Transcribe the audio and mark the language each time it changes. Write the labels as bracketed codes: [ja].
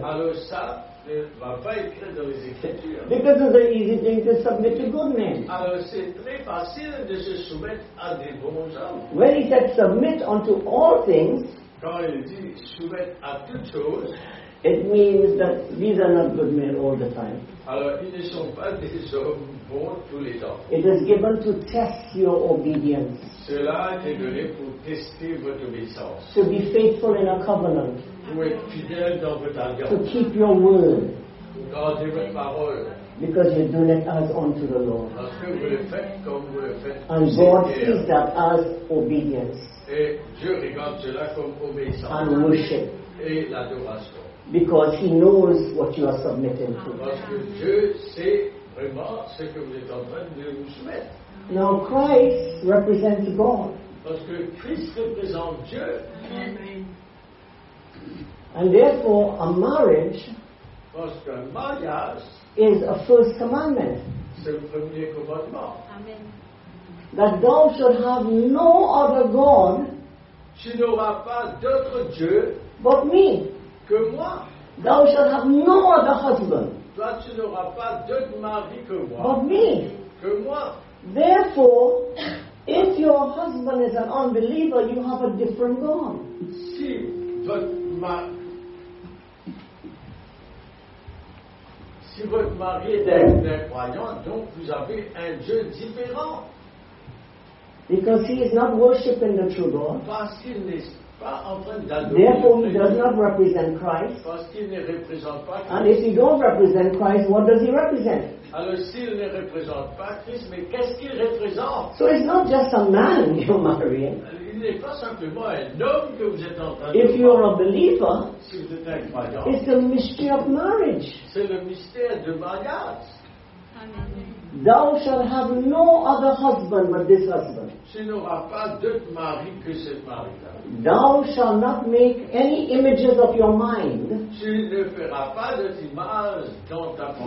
[fr] Alors ça ne va pas écrire dans les écritures. [en] Because it's an easy thing to submit to good men. [fr] Alors c'est très facile de se soumettre à des bons hommes. [en] When he said submit unto all things, [fr] quand il dit soumettre à toutes choses, [en] it means that these are not good men all the time. [fr] Alors ils ne sont pas des hommes bons tous les temps. [en] It is given to test your obedience. [fr] Cela est donné pour tester votre obéissance. [en] To be faithful in a covenant. [fr] Pour être fidèle dans votre alliance. [en] To keep your word. [fr] Garder votre parole. [en] Because you donate us unto the Lord. [fr] Parce que vous le faites comme vous le faites. [en] And God sees that as obedience. [fr] Et Dieu regarde cela comme obéissance. [en] And worship. [fr] Et l'adoration. [en] Because he knows what you are submitting to. [fr] Parce que Dieu sait vraiment ce que vous êtes en train de vous soumettre. [en] Now Christ represents God. [fr] Parce que Christ représente Dieu. [en] Amen. And therefore, a marriage [fr] parce qu'un mariage [en] is a first commandment. [fr] C'est le premier commandement. [en] Amen. That thou shalt have no other God. [fr] Tu n'auras pas d'autre Dieu [en] but me. [fr] Que moi. [en] Thou shalt have no other husband. [fr] Toi, tu n'auras pas d'autre mari que moi. [en] But me. [fr] Que moi. [en] Therefore, if your husband is an unbeliever, you have a different God. Si, but ma. [fr] Si votre mari est un croyant, donc vous avez un Dieu différent. [en] Because he is not worshiping the true God. [fr] Parce qu'il n'est pas en train d'adorer. [en] Therefore, he does not represent Christ. [fr] Parce qu'il ne représente pas Christ. [en] And if he don't represent Christ, what does he represent? [fr] Alors s'il ne représente pas Christ, mais qu'est-ce qu'il représente? [en] So it's not just a man you're marrying. [fr] Il n'est pas simplement un homme que vous êtes en train de [en] if you are a believer, [fr] si vous êtes un croyant, [en] it's the mystery of marriage. [fr] C'est le mystère de mariage. [en] Amen. Thou shalt have no other husband but this husband. [fr] Tu n'auras pas d'autre mari que cet mari-là. [en] Thou shalt not make any images of your mind. [fr] Tu ne feras pas d'autres images dans ta pensée.